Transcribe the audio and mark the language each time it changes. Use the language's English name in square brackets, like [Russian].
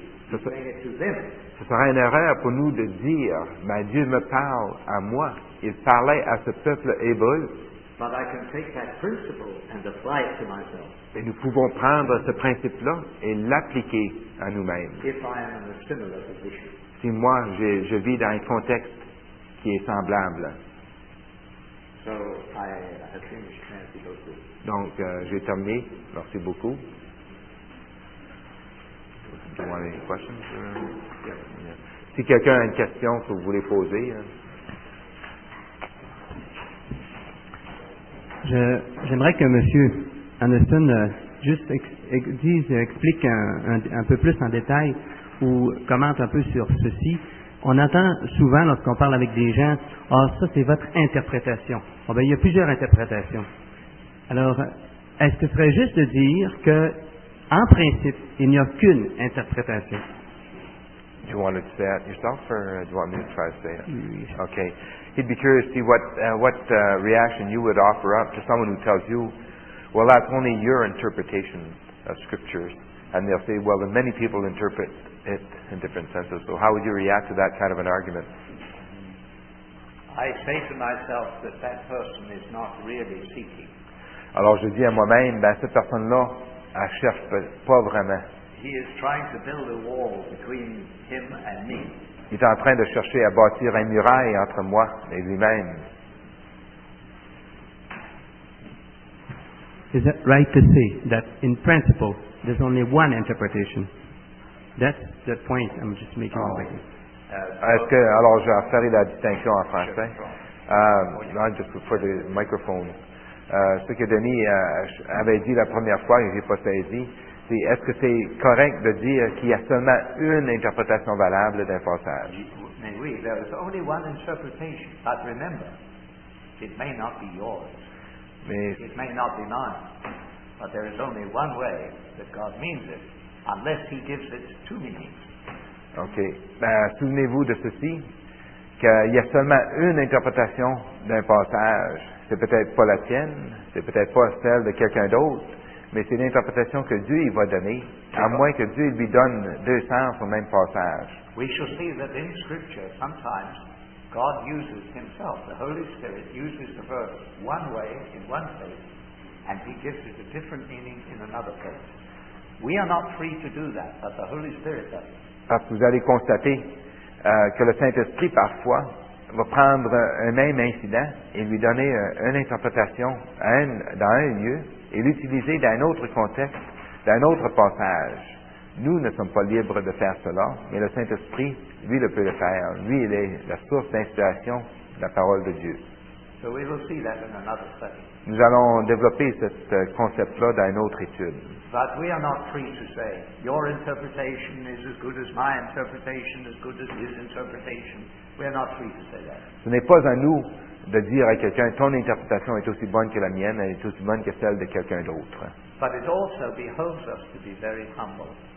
[French] Ce serait une erreur pour nous de dire, mais Dieu me parle à moi. Il parlait à ce peuple hébreu. [English] But I can take that principle and apply it to myself. [French] Et nous pouvons prendre ce principe-là et l'appliquer à nous-mêmes. [English] If I am in a similar position. [French] Si moi, je vis dans un contexte qui est semblable. [English] So I have finished. [French] Merci beaucoup. Donc, j'ai terminé. Merci beaucoup. [English] Do you want any questions? [French] Si quelqu'un a une question que vous voulez poser. J'aimerais que M. Anderson juste explique un peu plus en détail ou commente un peu sur ceci. On entend souvent, lorsqu'on parle avec des gens, « Ah, ça, c'est votre interprétation. » Bon, bien, il y a plusieurs interprétations. Alors, est-ce que ce serait juste de dire que, en principe, il n'y a qu'une interprétation? [English] Do you want to say it yourself, or do you want me to try to say it? [French] Oui. Okay. [English] He'd be curious to see what reaction you would offer up to someone who tells you, well, that's only your interpretation of scriptures. And they'll say, well, then many people interpret it in different senses. So how would you react to that kind of an argument? I say to myself that that person is not really seeking. [French] Alors je dis à moi-même, ben cette personne-là, elle cherche pas vraiment. [English] He is trying to build a wall between him and me. [French] Il est en train de chercher à bâtir un muraille entre moi et lui-même. [English] Is it right to say that in principle there's only one interpretation? That's the point I'm just making. Oh. [French] Est-ce que alors je ferai la distinction en français? Non, [English] just for the microphone. [French] Ce que Denis avait dit la première fois, je n'ai pas saisi. Est-ce que c'est correct de dire qu'il y a seulement une interprétation valable d'un passage? Mais oui, [English] there is only one interpretation. But remember, it may not be yours. It may not be mine. But there is only one way that God means it, unless he gives it two meanings. OK. [French] Ben, souvenez-vous de ceci, qu'il y a seulement une interprétation d'un passage. C'est peut-être pas la tienne, c'est peut-être pas celle de quelqu'un d'autre. Mais c'est l'interprétation que Dieu y va donner, à moins que Dieu lui donne deux sens au même passage. [English] We shall see that in Scripture, sometimes God uses Himself, the Holy Spirit uses the verse one way in one place, and He gives it a different meaning in another place. We are not free to do that, but the Holy Spirit does. [French] Parce que vous allez constater que le Saint-Esprit, parfois, va prendre un même incident et lui donner une interprétation dans un lieu et l'utiliser dans un autre contexte, dans un autre passage. Nous ne sommes pas libres de faire cela, mais le Saint-Esprit, lui, le peut le faire. Lui, il est la source d'inspiration de la parole de Dieu. [English] So we will see that in another study. [French] Nous allons développer ce concept-là dans une autre étude. [English] But we are not free to say, your interpretation is as good as my interpretation, as good as his interpretation. We are not free to say that. [French] Ce n'est pas à nous de dire à quelqu'un, ton interprétation est aussi bonne que la mienne, elle est aussi bonne que celle de quelqu'un d'autre. [English] But it also behoves us to be very humble.